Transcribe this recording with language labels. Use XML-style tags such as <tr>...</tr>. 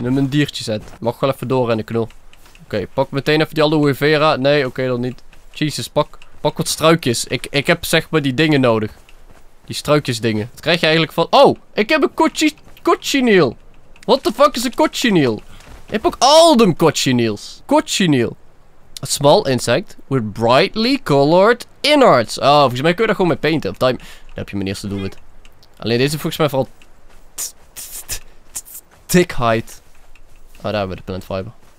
<nl>Mijn diertjes uit. Mag ik wel even doorrennen, knul. Oké, pak meteen even die aloe vera. Nee, oké, dan niet. Jesus, pak wat struikjes. Ik heb zeg maar die dingen nodig. Die struikjes dingen. Wat krijg je eigenlijk van... Oh, ik heb een cochineal.</nl> <en>What the fuck is</en> <nl>een cochineal? Ik heb ook al de cochineals. Cochineal.</nl> <en>A small insect with brightly colored innards.</en> <nl>Oh, volgens mij kun je daar gewoon mee painten. Of time. Dan heb je mijn eerste doelwit. Alleen deze volgens mij vooral... thick height. Oh, daar hebben we de plant fiber.</nl>